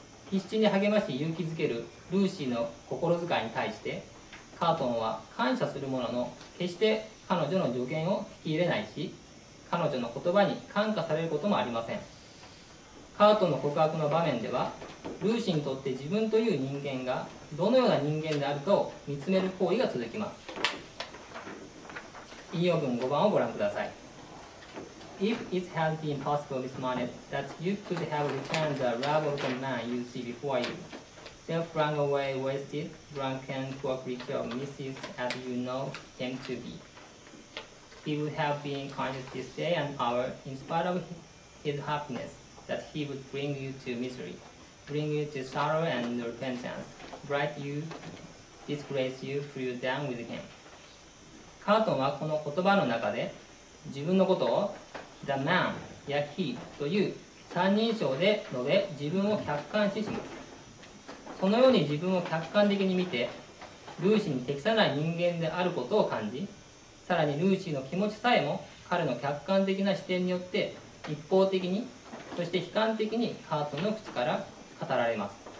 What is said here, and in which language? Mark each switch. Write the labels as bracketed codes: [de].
[ja] 必死に励まし勇気づけるルーシーの心遣いに対してカートンは感謝するものの決して彼女の助言を聞き入れないし彼女の言葉に感化されることもありません。カートンの告白の場面ではルーシーにとって自分という人間がどのような人間であるかを見つめる行為が続きます。引用文5番をご覧ください。 [en] If it had been possible, Miss Manette, that you could have returned the love of the man you see before you, self flung away, wasted, drunken, poor creature of misuse as you know him to be, he would have been conscious this day and hour in spite of his happinessthat he would bring you to misery, bring you to sorrow and repentance, blight you, disgrace you, pull you down with him. [ja] カートンはこの言葉の中で自分のことを the man や he という三人称で述べ自分を客観視します。そのように自分を客観的に見てルーシーに適さない人間であることを感じさらにルーシーの気持ちさえも彼の客観的な視点によって一方的にそして悲観的にカートンの口から語られます。